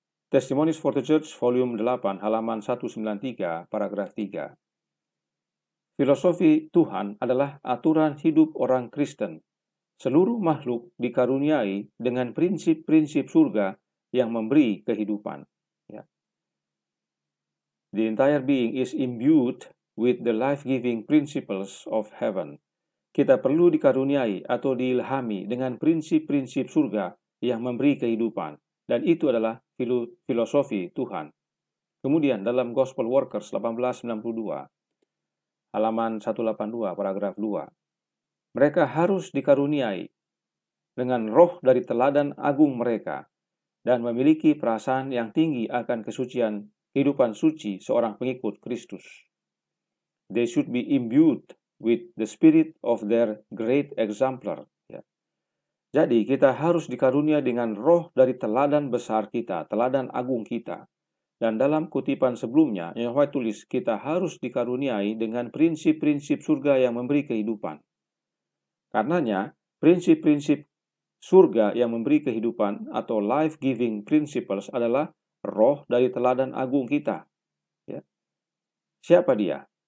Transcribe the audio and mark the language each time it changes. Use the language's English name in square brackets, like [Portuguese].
[Indonesian] Testimonies for the Church, volume 8, halaman 193, paragraf 3. Filosofi Tuhan adalah aturan hidup orang Kristen. Seluruh makhluk dikaruniai dengan prinsip-prinsip surga yang memberi kehidupan. [English] The entire being is imbued with the life-giving principles of heaven. [Indonesian] Kita perlu dikaruniai atau diilhami dengan prinsip-prinsip surga yang memberi kehidupan. Dan itu adalah filosofi Tuhan. Kemudian dalam Gospel Workers 1892, halaman 182, paragraf 2. Mereka harus dikaruniai dengan roh dari teladan agung mereka dan memiliki perasaan yang tinggi akan kesucian kehidupan suci seorang pengikut Kristus. [English] They should be imbued with the spirit of their great exemplar. [Indonesian] Jadi kita harus dikaruniai dengan roh dari teladan besar kita, teladan agung kita. Dan dalam kutipan sebelumnya, Nyonya White tulis, kita harus dikaruniai dengan prinsip-prinsip surga yang memberi kehidupan. Karenanya, prinsip-prinsip surga yang memberi kehidupan atau [English] life-giving principles [Indonesian] adalah roh dari teladan agung kita. Ya. Siapa dia?